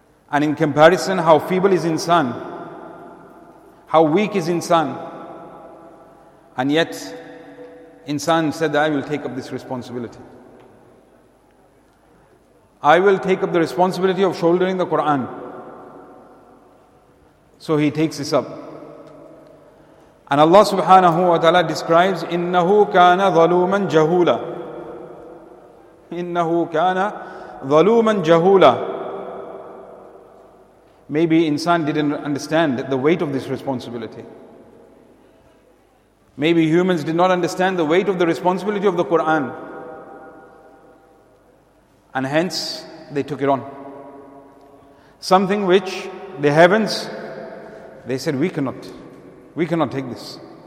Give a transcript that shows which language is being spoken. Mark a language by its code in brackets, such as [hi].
[en] And in comparison, how feeble is insan, how weak is insan, and yet insan said that I will take up this responsibility. I will take up the responsibility of shouldering the Qur'an. So he takes this up. And [ar] Allah subhanahu wa ta'ala [en] describes, [ar] إِنَّهُ كَانَ ظَلُومًا جَهُولًا إِنَّهُ كَانَ ظَلُومًا جَهُولًا. [en] Maybe insan didn't understand the weight of this responsibility. Maybe humans did not understand the weight of the responsibility of the Qur'an. And hence, they took it on. Something which the heavens, they said, we cannot take this.